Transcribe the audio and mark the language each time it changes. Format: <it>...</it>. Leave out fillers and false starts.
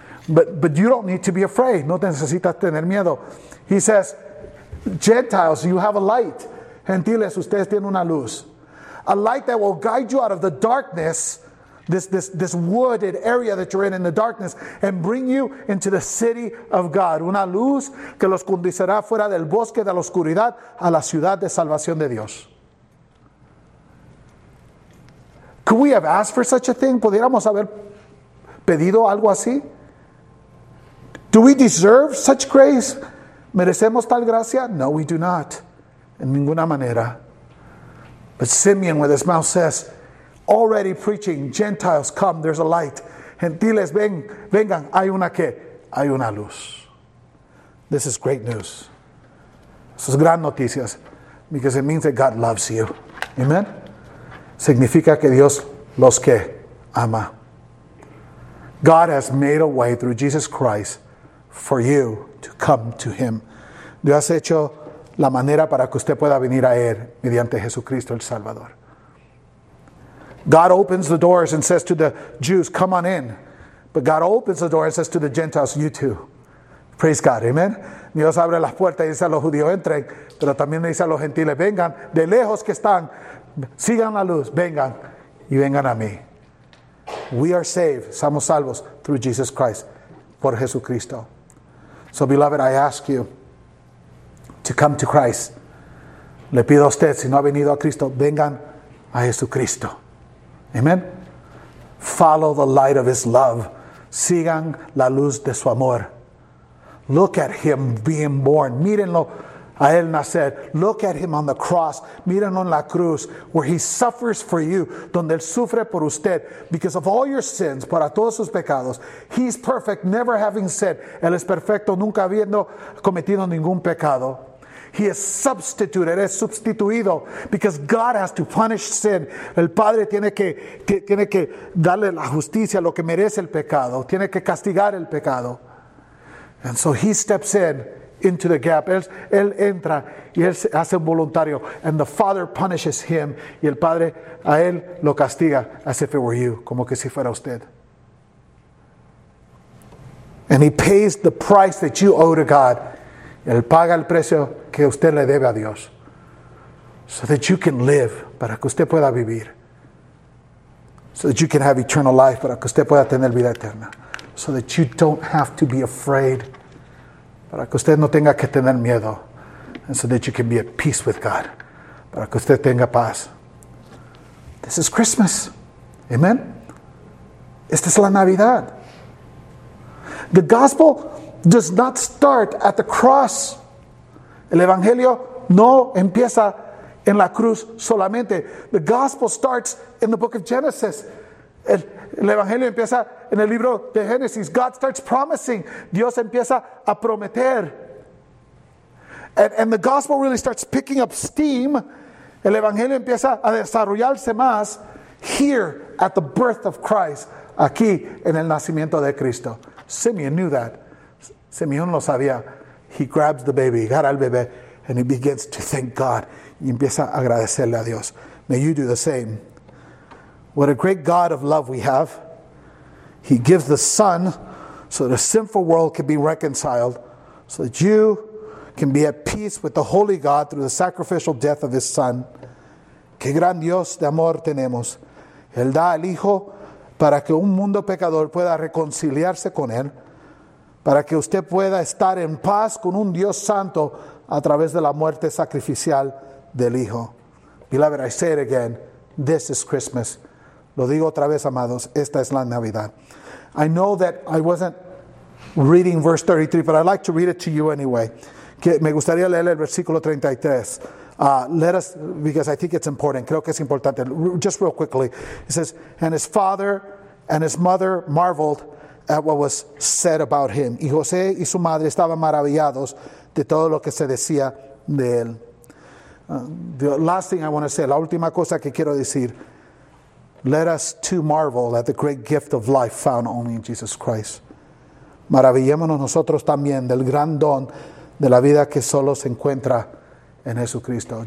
<en>But you don't need to be afraid.</en> <es>No te necesitas tener miedo.</es> <en>He says, Gentiles, you have a light.</en> <es>Gentiles, ustedes tienen una luz.</es> <en>A light that will guide you out of the darkness this wooded area that you're in the darkness, and bring you into the city of God.</en> <es>Una luz que los conducirá fuera del bosque de la oscuridad a la ciudad de salvación de Dios.</es> <en>Could we have asked for such a thing?</en> <es>¿Podríamos haber pedido algo así?</es> <en>Do we deserve such grace?</en> <es>¿Merecemos tal gracia?</es> <en>No, we do not.</en> <es>En ninguna manera.</es> <en>But Simeon with his mouth says, already preaching, Gentiles, come, there's a light.</en> <es>Gentiles, ven, vengan, hay una que, hay una luz.</es> <en>This is great news. This is</en> <es>gran noticias,</es> <en>because it means that God loves you.</en> <es>Amen? Significa que Dios los que ama.</es> <en>God has made a way through Jesus Christ for you to come to Him.</en> <es>Dios ha hecho la manera para que usted pueda venir a Él mediante Jesucristo el Salvador.</es> <en>God opens the doors and says to the Jews, come on in. But God opens the door and says to the Gentiles, you too. Praise God. Amen.</en> <es>Dios abre las puertas y dice a los judíos, entren. Pero también dice a los gentiles, vengan. De lejos que están, sigan la luz. Vengan y vengan a mí.</es> <en>We are saved.</en> <es>Somos salvos</es> <en>through Jesus Christ.</en> <es>Por Jesucristo.</es> <en>So, beloved, I ask you to come to Christ.</en> <es>Le pido a usted, si no ha venido a Cristo, vengan a Jesucristo. Amen.</es> <en>Follow the light of His love.</en> <es>Sigan la luz de su amor.</es> <en>Look at Him being born.</en> <es>Mírenlo a Él nacer.</es> <en>Look at Him on the cross.</en> <es>Mírenlo en la cruz,</es> <en>where He suffers for you.</en> <es>Donde Él sufre por usted.</es> <en>Because of all your sins,</en> <es>para todos sus pecados.</es> <en>He's perfect, never having sinned.</en> <es>Él es perfecto, nunca habiendo cometido ningún pecado.</es> <en>He is substituted,</en> <es>es sustituido,</es> <en>because God has to punish sin.</en> <es>El Padre tiene que darle la justicia, lo que merece el pecado. Tiene que castigar el pecado.</es> <en>And so He steps in into the gap.</en> <es>Él entra y Él hace un voluntario.</es> <en>And the Father punishes Him.</en> <es>Y el Padre a Él lo castiga,</es> <en>as if it were you,</en> <es>como que si fuera usted.</es> <en>And He pays the price that you owe to God.</en> <es>Él paga el precio que usted le debe a Dios.</es> <en>So that you can live,</en> <es>para que usted pueda vivir.</es> <en>So that you can have eternal life,</en> <es>para que usted pueda tener vida eterna.</es> <en>So that you don't have to be afraid,</en> <es>para que usted no tenga que tener miedo.</es> <en>And so that you can be at peace with God,</en> <es>para que usted tenga paz.</es> <en>This is Christmas. Amen.</en> <es>Esta es la Navidad.</es> <en>The gospel does not start at the cross.</en> <es>El Evangelio no empieza en la cruz solamente.</es> <en>The gospel starts in the book of Genesis.</en> <es>El Evangelio empieza en el libro de Génesis.</es> <en>God starts promising.</en> <es>Dios empieza a prometer.</es> <en>And the gospel really starts picking up steam.</en> <es>El Evangelio empieza a desarrollarse más</es> <en>here at the birth of Christ.</en> <es>Aquí en el nacimiento de Cristo.</es> <en>Simeon knew that.</en> <es>Simeón lo sabía.</es> <en>He grabs the baby,</en> <es>agarra al bebé,</es> <en>and he begins to thank God.</en> <es>Y empieza a agradecerle a Dios.</es> <en>May you do the same. What a great God of love we have. He gives the Son so the sinful world can be reconciled, so that you can be at peace with the holy God through the sacrificial death of His Son.</en> <es>Qué gran Dios de amor tenemos. Él da al Hijo para que un mundo pecador pueda reconciliarse con Él. Para que usted pueda estar en paz con un Dios santo a través de la muerte sacrificial del Hijo.</es> <en>Beloved, I say it again, this is Christmas.</en> <es>Lo digo otra vez, amados, esta es la Navidad.</es> <en>I know that I wasn't reading verse 33, but I'd like to read it to you anyway.</en> <es>Que me gustaría leer el versículo 33.</es> <en>Because I think it's important.</en> <es>Creo que es importante.</es> <en>Just real quickly. It says, and his father and his mother marveled at what was said about him.</en> <es>Y José y su madre estaban maravillados de todo lo que se decía de él.</es> <en>The last thing I want to say,</en> <es>la última cosa que quiero decir,</es> <en>let us too marvel at the great gift of life found only in Jesus Christ.</en> <es>Maravillémonos nosotros también del gran don de la vida que solo se encuentra en Jesucristo.</es>